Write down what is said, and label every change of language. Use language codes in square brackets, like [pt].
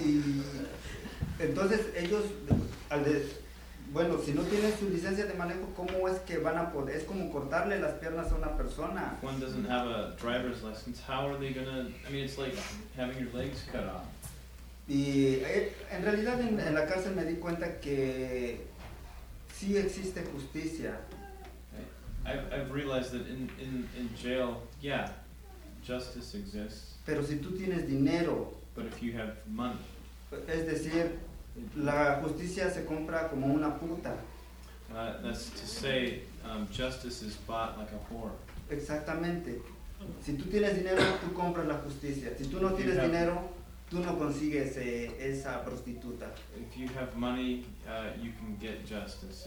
[es] y entonces ellos al de, bueno, si no tienen su licencia de manejo, ¿cómo es que van a poder? Es como cortarle las piernas a una persona. [en] One doesn't have a driver's license, how are they gonna, I mean, it's like having your legs cut off. [es] Y en realidad en la cárcel me di cuenta que sí existe justicia. [en] I've realized that in jail, yeah, justice exists. [es] Pero si tú tienes dinero. [en] But if you have money. [es] Es decir, la justicia se compra como una puta. [en] That's to say, justice is bought like a whore. [es] Exactamente. Si tú tienes dinero, tú compras la justicia. Si tú no tienes dinero, tú no consigues esa prostituta. [en] If you have money, you can get justice.